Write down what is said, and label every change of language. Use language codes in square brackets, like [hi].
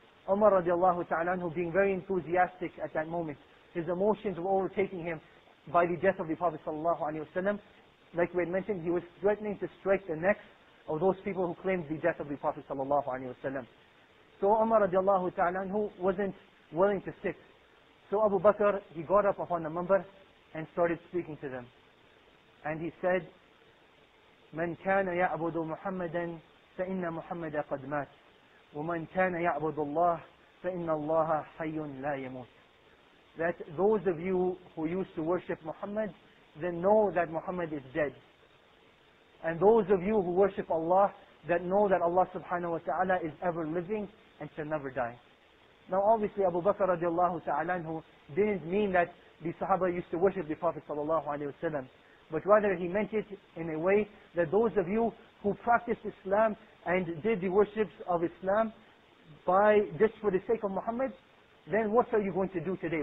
[en] Umar radiallahu ta'ala anhu, being very enthusiastic at that moment, his emotions were overtaking him by the death of the Prophet sallallahu alayhi wasallam. Like we had mentioned, he was threatening to strike the necks of those people who claimed the death of the Prophet sallallahu alayhi wasallam. So Umar radiallahu ta'ala anhu wasn't willing to sit. So Abu Bakr, he got up upon the minbar and started speaking to them. And he said, [ar] مَنْ كَانَ يَعْبُدُ مُحَمَّدًا فَإِنَّ مُحَمَّدَ قَدْ مَاتْ وَمَنْ كَانَ يَعْبُدُ اللَّهِ فَإِنَّ اللَّهَ حَيٌّ لَا يَمُوتْ. [en] That those of you who used to worship Muhammad, then know that Muhammad is dead. And those of you who worship Allah, that know that Allah subhanahu wa ta'ala is ever living and shall never die. Now obviously Abu Bakr radiallahu ta'ala anhu didn't mean that the Sahaba used to worship the Prophet sallallahu alayhi wasallam, but rather he meant it in a way that those of you who practiced Islam and did the worships of Islam by just for the sake of Muhammad, then what are you going to do today?